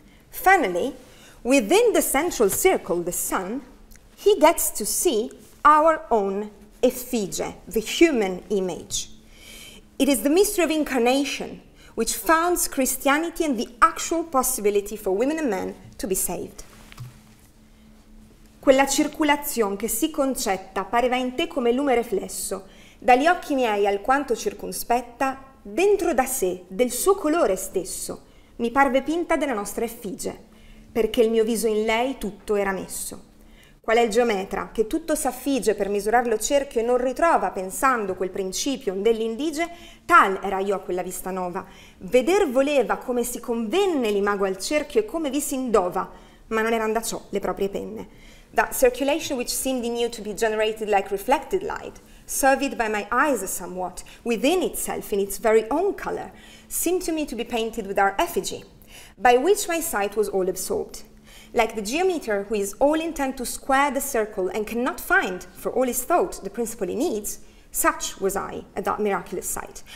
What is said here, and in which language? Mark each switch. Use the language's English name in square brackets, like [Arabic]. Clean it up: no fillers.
[English] Finally, within the central circle, the Son, he gets to see our own effigie, the human image. It is the mystery of incarnation which founds Christianity and the actual possibility for women and men to be saved. [Italian] Quella circulazione che si concetta pareva in te come lume reflesso, dagli occhi miei alquanto circunspetta, dentro da sé, del suo colore stesso, mi parve pinta della nostra effigie, perché il mio viso in lei tutto era messo. Qual è il geometra che tutto s'affige per misurarlo cerchio e non ritrova, pensando quel principio dell'indige, tal era io a quella vista nova. Veder voleva come si convenne l'imago al cerchio e come vi si indova, ma non erano da ciò le proprie penne. [English] That circulation which seemed in you to be generated like reflected light, surveyed by my eyes somewhat, within itself, in its very own color, seemed to me to be painted with our effigy, by which my sight was all absorbed. Like the geometer who is all intent to square the circle and cannot find, for all his thought, the principle he needs, such was I at that miraculous sight.